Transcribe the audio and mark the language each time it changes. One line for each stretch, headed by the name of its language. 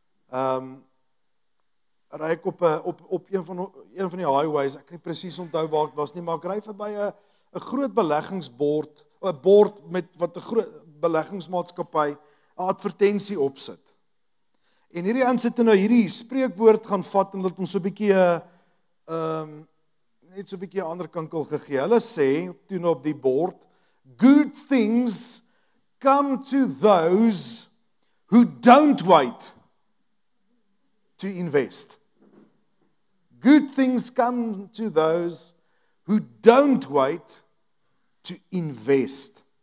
Afrikaans: Ry ek op een van die highways. Ek kan nie presies onthou waar ek was nie, maar ek ry verby 'n groot beleggingsbord, 'n bord met wat 'n groot beleggingsmaatskappy 'n advertensie opsit. En hierdie ouens het nou hierdie spreekwoord gaan vat en dit hom so 'n bietjie net so 'n bietjie ander kinkel gegee. Hulle sê toe nou op die bord,
English: "Good things come to those who don't wait to invest. Good things come to those who don't wait to invest."